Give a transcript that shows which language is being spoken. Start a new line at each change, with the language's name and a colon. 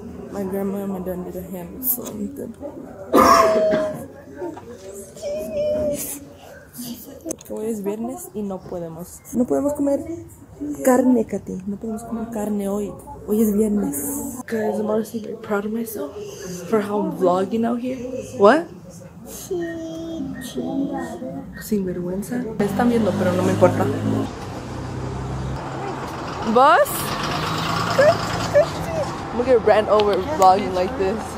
English: My grandma and my dad need a hand with something.
Spanish: Hoy es viernes y no podemos comer carne, Katy. No podemos comer carne hoy. Hoy es viernes.
English: Guys, I'm honestly very proud of myself for how I'm vlogging out here. What?
Spanish: Sin vergüenza. Me están viendo, pero no me importa. ¿Vos?
English: I'm gonna get ran over vlogging like this.